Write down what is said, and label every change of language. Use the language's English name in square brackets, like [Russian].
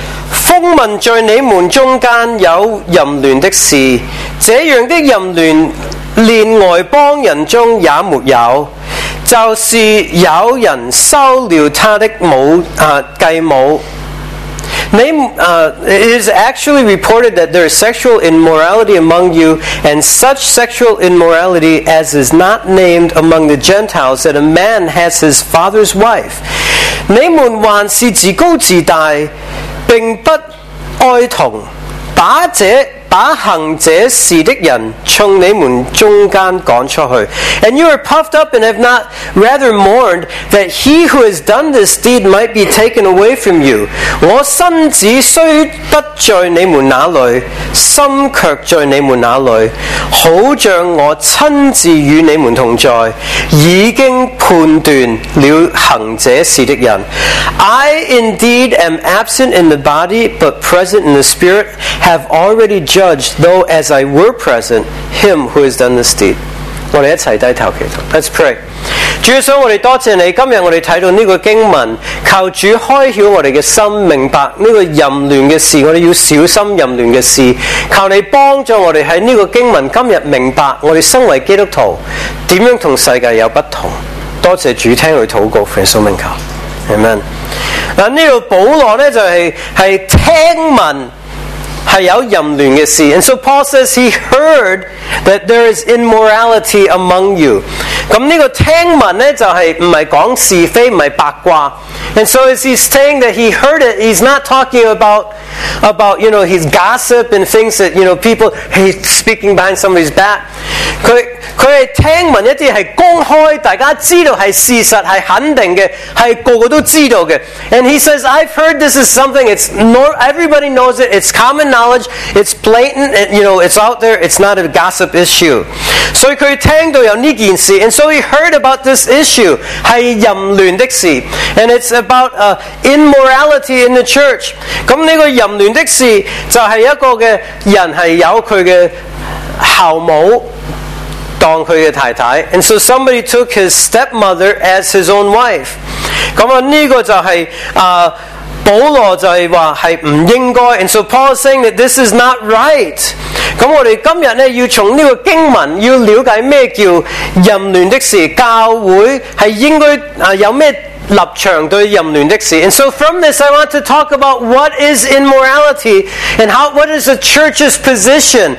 [Chinese] 风闻在你们中间有淫乱的事，这样的淫乱连外邦人中也没有，就是有人收了他的母继母。 [English] It is actually reported that there is sexual immorality among you, and such sexual immorality as is not named among the Gentiles, that a man has his father's wife. [Chinese] 你们还是自高自大，并不爱同，把行这事的人从你们中间赶出去。 [English] And you are puffed up and have not rather mourned that he who has done this deed might be taken away from you. [Chinese] 我身子虽不在你们那里，心却在你们那里，好像我亲自与你们同在，已经判断了行这事的人。 [English] I indeed am absent in the body, but present in the spirit, have already judged though as I were present, him who has done this deed. [Chinese] 我们一起低头祈祷。 [English] Let's pray. [Chinese] 主耶稣，我们多谢你，今天我们看到这个经文，求主开晓我们的心，明白这个淫乱的事，我们要小心淫乱的事，求你帮助我们在这个经文今天明白我们身为基督徒怎样跟世界有不同。多谢主听我们祷告，奉耶稣名求， Amen。这里保罗呢，就是听闻是有淫乱的事。 [English] And so Paul says he heard that there is immorality among you. [Chinese] 这个听闻呢，就是不是讲是非，不是八卦。 [English] And so as he's saying that he heard it, he's not talking about, you know, his gossip and things that, you know, people, he's speaking behind somebody's back. [Chinese] 他是听闻一些是公开，大家知道是事实，是肯定的，是个个都知道的。 [English] And he says, I've heard this is something, it's more, everybody knows it, it's common knowledge, it's blatant, it, you know, it's out there, it's not a gossip issue. [Chinese] 所以他听到有这件事， [English] and so he heard about this issue, [Chinese] 是淫乱的事， [English] and it's about immorality in the church. [Chinese] 那这个淫乱的事就是一个的人是有他的后母当他的太太， [English] and so somebody took his stepmother as his own wife. [Chinese] 那么这个就是保罗就是说是不应该， [English] and so Paul is saying that this is not right. [Chinese] 那我们今天呢，要从这个经文要了解什么叫淫乱的事，教会是应该有什么立场对淫乱的事。 [English] And so from this I want to talk about what is immorality and how, what is the church's position.